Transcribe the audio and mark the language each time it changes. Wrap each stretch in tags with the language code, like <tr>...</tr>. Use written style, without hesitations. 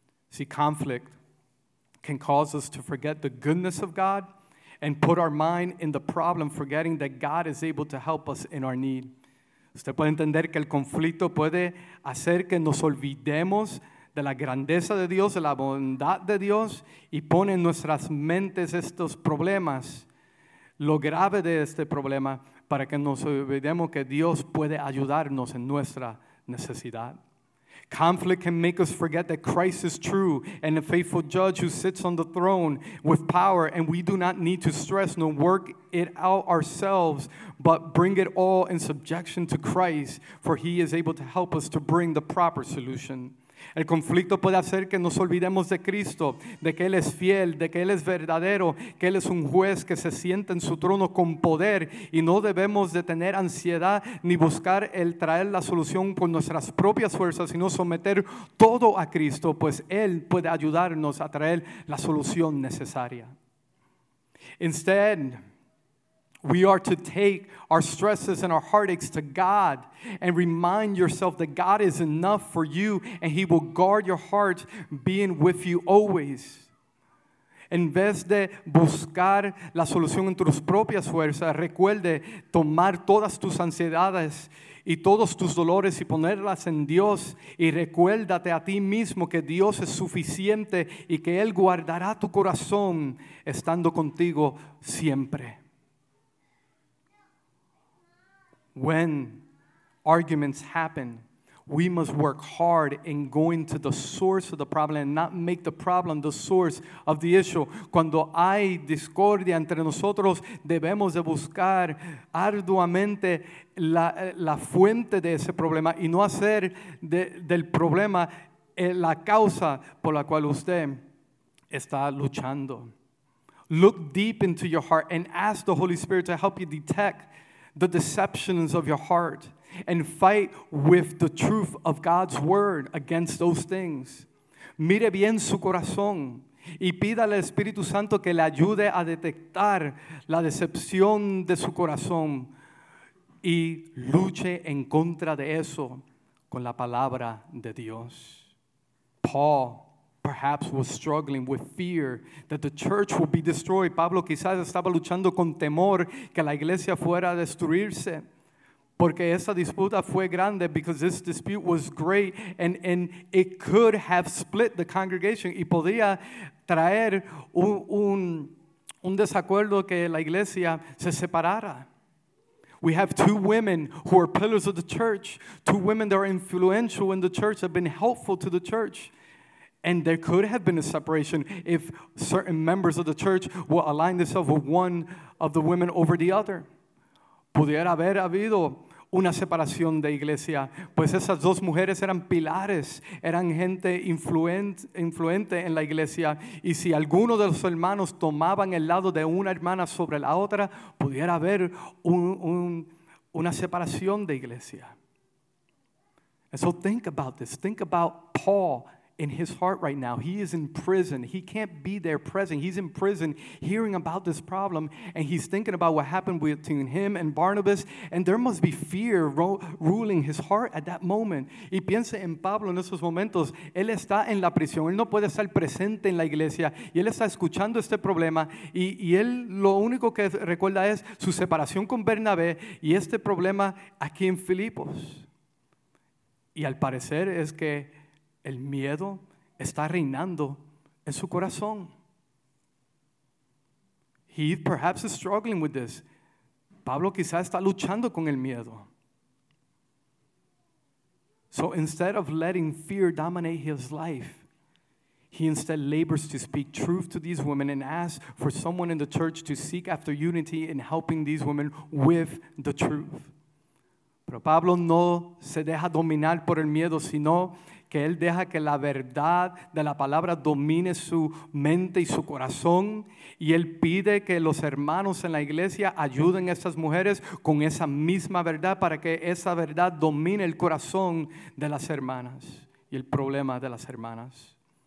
<en>See, conflict can cause us to forget the goodness of God and put our mind in the problem, forgetting that God is able to help us in our need.</en> <es>Usted puede entender que el conflicto puede hacer que nos olvidemos de la grandeza de Dios, de la bondad de Dios, y pone en nuestras mentes estos problemas, lo grave de este problema, para que nos olvidemos que Dios puede ayudarnos en nuestra necesidad.</es> <en>Conflict can make us forget that Christ is true and a faithful judge who sits on the throne with power, and we do not need to stress nor work it out ourselves, but bring it all in subjection to Christ, for he is able to help us to bring the proper solution.</en> <es>El conflicto puede hacer que nos olvidemos de Cristo, de que Él es fiel, de que Él es verdadero, que Él es un juez que se sienta en su trono con poder, y no debemos de tener ansiedad ni buscar el traer la solución con nuestras propias fuerzas, sino someter todo a Cristo, pues Él puede ayudarnos a traer la solución necesaria.</es> <en>Instead, we are to take our stresses and our heartaches to God and remind yourself that God is enough for you and he will guard your heart, being with you always.</en> <es>En vez de buscar la solución en tus propias fuerzas, recuerde tomar todas tus ansiedades y todos tus dolores y ponerlas en Dios, y recuérdate a ti mismo que Dios es suficiente y que Él guardará tu corazón estando contigo siempre.</es> <en>When arguments happen, we must work hard in going to the source of the problem and not make the problem the source of the issue.</en> <es>Cuando hay discordia entre nosotros, debemos de buscar arduamente la fuente de ese problema y no hacer del problema la causa por la cual usted está luchando.</es> <en>Look deep into your heart and ask the Holy Spirit to help you detect the deceptions of your heart and fight with the truth of God's word against those things.</en> <es>Mire bien su corazón y pida al Espíritu Santo que le ayude a detectar la decepción de su corazón y luche en contra de eso con la palabra de Dios.</es> <en>Paul perhaps was struggling with fear that the church would be destroyed.</en> <es>Pablo quizás estaba luchando con temor que la iglesia fuera a destruirse, porque esa disputa fue grande,</es> <en>because this dispute was great, and it could have split the congregation,</en> <es>y podía traer un desacuerdo que la iglesia se separara.</es> <en>We have two women who are pillars of the church, two women that are influential in the church, have been helpful to the church. And there could have been a separation if certain members of the church will align themselves with one of the women over the other.</en> <es>Pudiera haber habido una separación de iglesia, pues esas dos mujeres eran pilares, eran gente influente en la iglesia. Y si alguno de los hermanos tomaban el lado de una hermana sobre la otra, pudiera haber una separación de iglesia.</es> <en>And so think about this. Think about Paul in his heart right now. He is in prison. He can't be there present. He's in prison hearing about this problem, and he's thinking about what happened between him and Barnabas, and there must be fear ruling his heart at that moment.</en> <es>Y piensa en Pablo en esos momentos. Él está en la prisión. Él no puede estar presente en la iglesia, y él está escuchando este problema, y él lo único que recuerda es su separación con Bernabé y este problema aquí en Filipos. Y al parecer es que el miedo está reinando en su corazón.</es> <en>He perhaps is struggling with this.</en> <es>Pablo quizás está luchando con el miedo.</es> <en>So instead of letting fear dominate his life, he instead labors to speak truth to these women and asks for someone in the church to seek after unity in helping these women with the truth.</en> <es>Pero Pablo no se deja dominar por el miedo, sino que él deja que la verdad de la palabra domine su mente y su corazón, y él pide que los hermanos en la iglesia ayuden a estas mujeres con esa misma verdad para que esa verdad domine el corazón de las hermanas y el problema de las hermanas.</es>